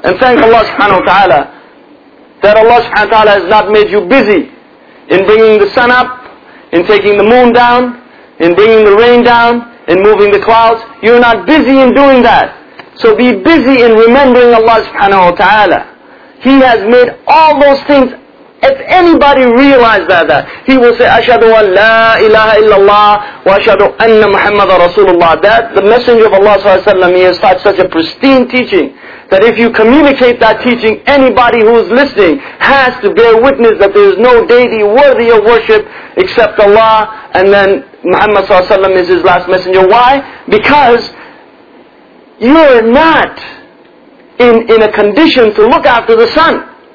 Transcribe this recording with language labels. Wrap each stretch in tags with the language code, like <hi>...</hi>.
<en>And thank Allah subhanahu wa ta'ala that Allah subhanahu wa ta'ala has not made you busy in bringing the sun up, in taking the moon down, in bringing the rain down, in moving the clouds. You're not busy in doing that. So be busy in remembering Allah subhanahu wa ta'ala. He has made all those things. If anybody realized that, he will say,</en> <ar>أَشْهَدُ أَنْ لَا إِلَهَ إِلَّا اللَّهِ وَأَشْهَدُ أَنَّ مُحَمَّدَ رَسُولُ اللَّهِ.</ar> <en>That the Messenger of Allah Sallallahu Alaihi Wasallam, he has taught such a pristine teaching that if you communicate that teaching, anybody who is listening has to bear witness that there is no deity worthy of worship except Allah, and then Muhammad Sallallahu Alaihi Wasallam is his last messenger. Why? Because you are not in a condition to look after the sun.</en>